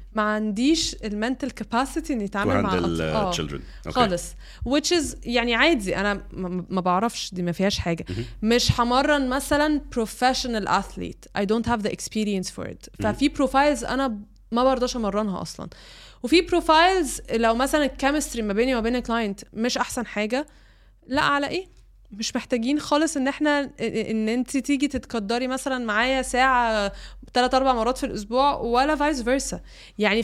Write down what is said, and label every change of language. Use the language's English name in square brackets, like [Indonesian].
[Arabic] ما عنديش المنتل كاباسيتي اني اتعامل مع [English] children. [Arabic] خالص. [English] Which is [Arabic] يعني عادي انا ما بعرفش دي ما فيهاش حاجه. مش همرن مثلا [English] professional athlete. I don't have the experience for it. [Arabic] ففي profiles انا ما برضاش امرنها اصلا. وفي profiles لو مثلا الكيمستري ما بيني وما بين الكلاينت مش احسن حاجه, لا على ايه؟ مش محتاجين خالص ان احنا ان انت تيجي تتقدري مثلا معايا ساعة 3-4 مرات في الاسبوع ولا vice versa يعني.